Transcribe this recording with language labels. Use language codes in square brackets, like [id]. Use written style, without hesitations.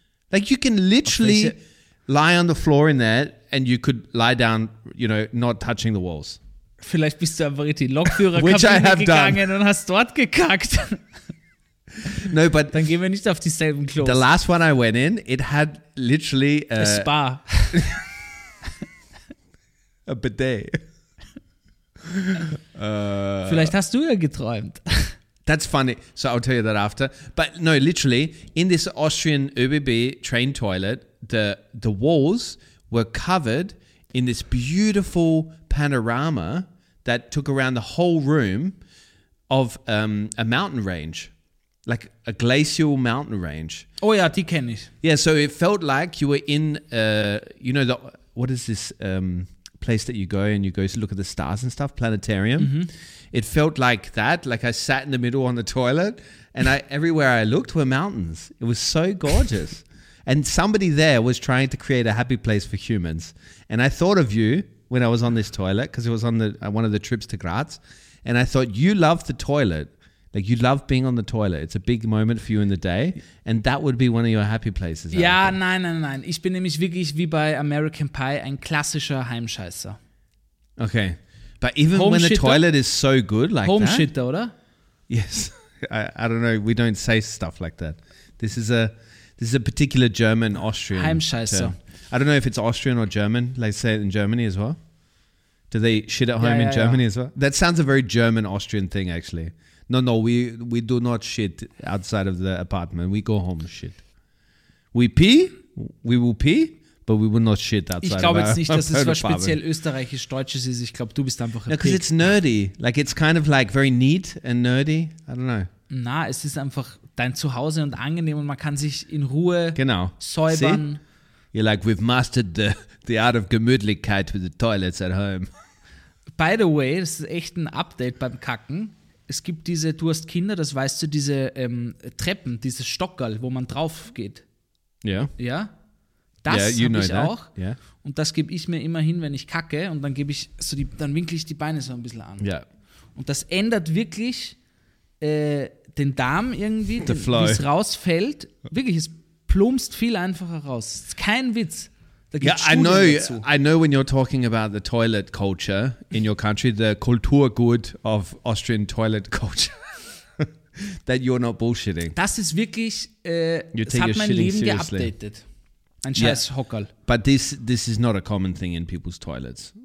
[en] Like you can literally lie on the floor in there and you could lie down, you know, not touching the walls. [de] Vielleicht bist du einfach in die Lokführerkabine gegangen und hast dort gekackt. [en] No, but [de] dann gehen wir nicht auf dieselben Klos. [en] The last one I went in, it had literally a spa. A bidet. [de] Vielleicht hast du ja geträumt. [en] That's funny. So I'll tell you that after. But no, literally, in this Austrian ÖBB train toilet, the walls were covered in this beautiful panorama that took around the whole room of a mountain range. like a glacial mountain range. [de] Oh yeah, die kenne ich. [en] Yeah, so it felt like you were in, you know, the what is this place that you go and you go to look at the stars and stuff, planetarium. Mm-hmm. It felt like that, like I sat in the middle on the toilet and I everywhere I looked were mountains. It was so gorgeous. And somebody there was trying to create a happy place for humans. And I thought of you when I was on this toilet because it was on the one of the trips to Graz. And I thought, you love the toilet. Like, you love being on the toilet. It's a big moment for you in the day. And that would be one of your happy places. [de] Ja, nein, nein, nein. Ich bin nämlich wirklich, wie bei American Pie, ein klassischer Heimscheißer. [en] Okay. But even when the toilet is so good like that. Homeshitter, oder? Yes. I don't know. We don't say stuff like that. This is a particular German, Austrian [de] Heimscheißer. Term. [en] I don't know if it's Austrian or German. Like, say it in Germany as well. Do they shit at home in Germany as well? That sounds a very German Austrian thing, actually. No, no, we do not shit outside of the apartment. We go home shit. We pee, we will pee, but we will not shit outside of the apartment. [de] Ich glaube jetzt nicht, dass es was speziell österreichisch-deutsches ist. Ich glaube, du bist einfach ein [en] Pig. Because it's nerdy. Like, it's kind of like very neat and nerdy. I don't know. [de] Na, es ist einfach dein Zuhause und angenehm und man kann sich in Ruhe genau. säubern. See? [en] You're like, we've mastered the art of Gemütlichkeit with the toilets at home. [de] By the way, das ist echt ein Update beim Kacken. Es gibt diese, du hast Kinder, das weißt du, diese Treppen, diese Stockerl, wo man drauf geht. Ja. Ja? Das habe ich auch. [en] Yeah. [de] Und das gebe ich mir immer hin, wenn ich kacke. Und dann gebe ich so die, dann winkle ich die Beine so ein bisschen an. Ja. Yeah. Und das ändert wirklich den Darm irgendwie, wie es rausfällt. Wirklich, es plumpst viel einfacher raus. Es ist kein Witz. Da gibt's Studien dazu. [en] I know when you're talking about the toilet culture in your country, the Kulturgut of Austrian toilet culture, that you're not bullshitting. [de] Das ist wirklich, das hat mein Leben geupdatet. Ein scheiß Hockerl. [en] But this is not a common thing in people's toilets.